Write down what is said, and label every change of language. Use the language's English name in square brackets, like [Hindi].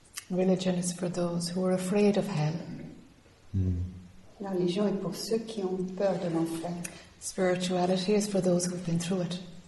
[English] Religion is for those who are afraid of hell. [French] La religion est pour ceux qui ont peur de l'enfer. [English] Spirituality is for those who've been through it.